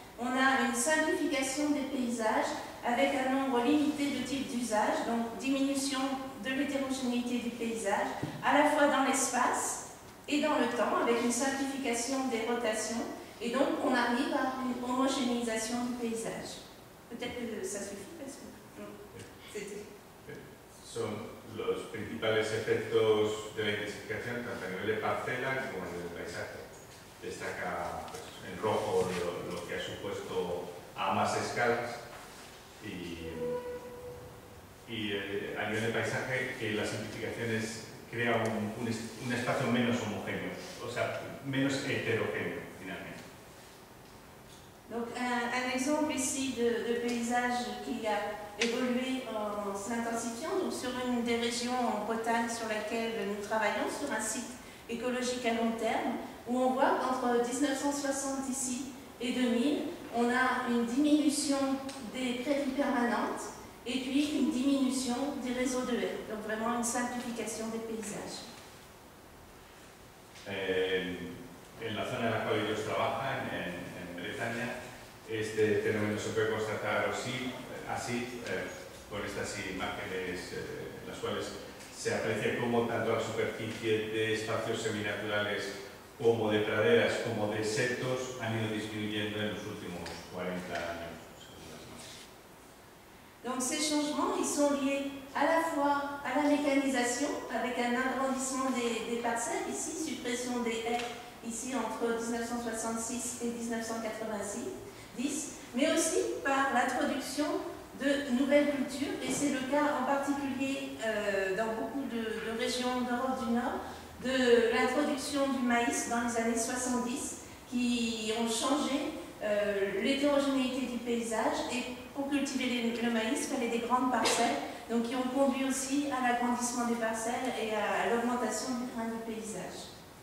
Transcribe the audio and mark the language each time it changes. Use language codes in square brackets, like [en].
[fr] On a une simplification des paysages avec un nombre limité de types d'usage, donc diminution de l'hétérogénéité du paysage, à la fois dans l'espace et dans le temps, avec une simplification des rotations, et donc on arrive à une homogénéisation du paysage. Peut-être que ça suffit, parce que sont les principaux effets de l'intensification, tant à niveau des parcelles comme à niveau du paysage. [es] Destaca en rojo lo que ha supuesto a más escalas. Y a nivel de paisaje, que las simplificaciones crean un espacio menos homogéneo, o sea, menos heterogéneo, finalmente. [fr] Donc, un exemple ici de paysage qui a évolué en s'intensifiant, donc sur une des régions en Bretagne sur laquelle nous travaillons, sur un site écologique à long terme, où on voit qu'entre 1960 ici et 2000, on a une diminution des prairies permanentes et puis une diminution des réseaux de haies, donc vraiment une simplification des paysages. [es] En la zona en la cual ellos trabajan, en Bretaña, este fenómeno se puede constatar así, así con estas imágenes, las cuales se aprecia cómo tanto la superficie de espacios seminaturales como de praderas, como de setos, han ido disminuyendo en los últimos 40 años. [fr] Donc ces changements, ils sont liés à la fois à la mécanisation, avec un agrandissement des parcelles, ici, suppression des haies, ici, entre 1966 et 1986, mais aussi par l'introduction de nouvelles cultures, et c'est le cas en particulier dans beaucoup de régions d'Europe du Nord, de l'introduction du maïs dans les années 70, qui ont changé l'hétérogénéité du paysage, et pour cultiver le maïs, il fallait des grandes parcelles, donc qui ont conduit aussi à l'agrandissement des parcelles et à l'augmentation du grain du paysage.